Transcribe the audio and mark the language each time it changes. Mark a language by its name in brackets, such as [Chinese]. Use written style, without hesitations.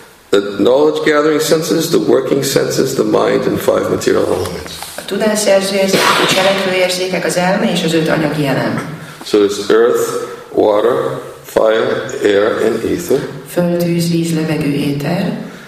[English] The knowledge gathering senses, the working senses, the mind, and five material elements. [Hungarian] A tudásszerző érzék, a cselekvő érzékek, az elme és az öt anyagi elem. [English] So it's earth, water, fire, air, and ether. [Hungarian] Föld, tűz, víz, levegő, éter.